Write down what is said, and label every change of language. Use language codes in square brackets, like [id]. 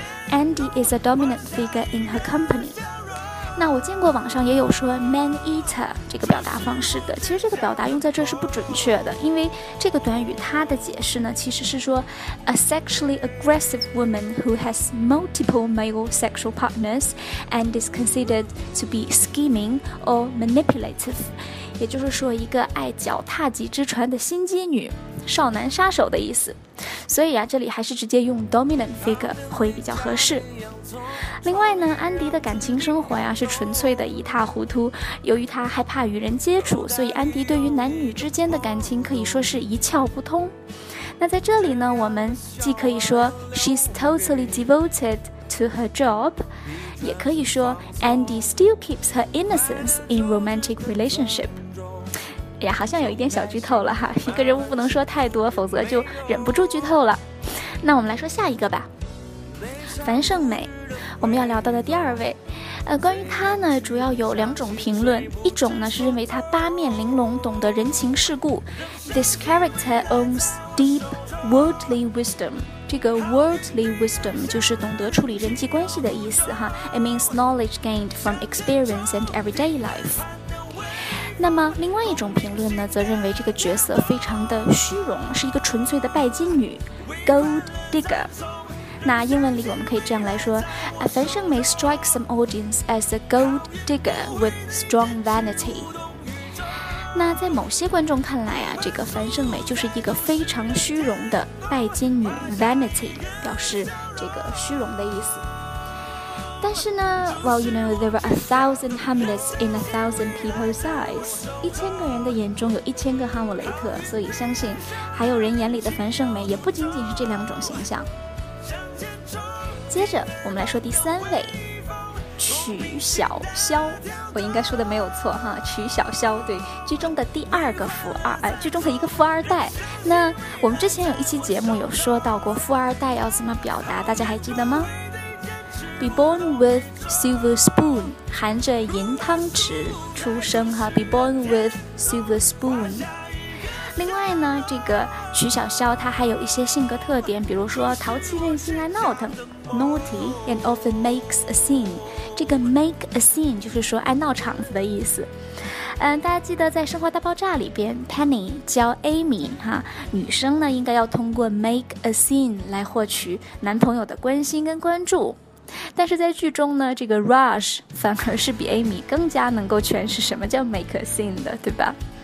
[en] Andy is a dominant figure in her company。 [zh] 那我见过网上也有说 man eater 这个表达方式的，其实这个表达用在这是不准确的，因为这个短语它的解释呢其实是说 [en] a sexually aggressive woman who has multiple male sexual partners and is considered to be scheming or manipulative， [zh] 也就是说一个爱脚踏几只船的心机女，少男杀手的意思。所以啊，这里还是直接用 dominant figure 会比较合适。另外呢，安迪的感情生活呀，是纯粹的一塌糊涂。由于他害怕与人接触，所以安迪对于男女之间的感情可以说是一窍不通。那在这里呢，我们既可以说 [en] she's totally devoted to her job， [zh] 也可以说 [en] Andy still keeps her innocence in romantic relationship。 [zh] 哎呀，好像有一点小剧透了哈，一个人物不能说太多，否则就忍不住剧透了。那我们来说下一个吧，樊胜美，我们要聊到的第二位。关于她呢，主要有两种评论。一种呢是认为她八面玲珑，懂得人情世故。 [en] This character owns deep worldly wisdom。 [zh] 这个 worldly wisdom 就是懂得处理人际关系的意思哈。 [en] It means knowledge gained from experience and everyday life。 [zh] 那么另外一种评论呢，则认为这个角色非常的虚荣，是一个纯粹的拜金女 gold digger。那英文里我们可以这样来说， [en] 樊胜美 strike some audience as a gold digger with strong vanity。 [zh] 那在某些观众看来啊，这个樊胜美就是一个非常虚荣的拜金女 ，vanity 表示这个虚荣的意思。但是呢 ， [en] well you know there are 1,000 Hamlets in 1,000 people's eyes， [zh] 一千个人的眼中有一千个哈姆雷特，所以相信还有人眼里的樊胜美也不仅仅是这两种形象。接着我们来说第三位。曲小潇，我应该说的没有错哈，曲小潇，对，剧中的第二个富二，剧中的一个富二代。那我们之前有一期节目有说到过富二代要怎么表达，大家还记得吗？ [en] Be born with silver spoon， [zh] 含着银汤匙出生哈， [en] Be born with silver spoon。 [zh] 另外呢，这个曲小潇他还有一些性格特点，比如说淘气任性爱闹腾 [en] naughty and often makes a scene。 [zh] 这个 make a scene 就是说爱闹场子的意思。大家记得在生活大爆炸里边 Penny 教 Amy 哈，女生呢应该要通过 make a scene 来获取男朋友的关心跟关注，但是在剧中呢，这个 Rush 反而是比 Amy 更加能够诠释什么叫 make a scene 的，对吧？